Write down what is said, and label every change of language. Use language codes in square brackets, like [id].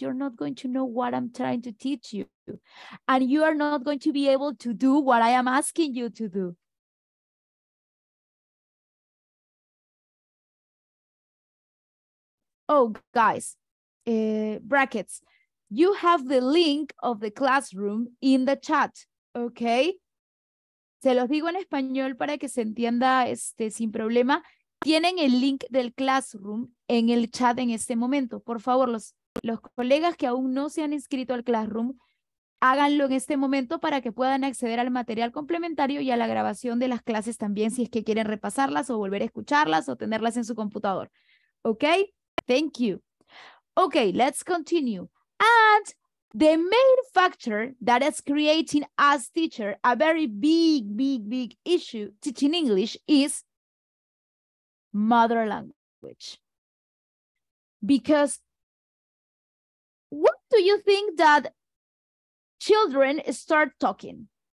[en] You're not going to know what I'm trying to teach you. And you are not going to be able to do what I am asking you to do. Oh, guys, brackets, you have the link of the classroom in the chat, okay? [es] Se los digo en español para que se entienda sin problema. Tienen el link del classroom en el chat en este momento. Por favor, los colegas que aún no se han inscrito al classroom, háganlo en este momento para que puedan acceder al material complementario y a la grabación de las clases también, si es que quieren repasarlas o volver a escucharlas o tenerlas en su computador, okay? [en] Thank you. Okay, let's continue. And the main factor that is creating as teacher a very big, big, big issue teaching English is mother language. Because what do you think that children start talking?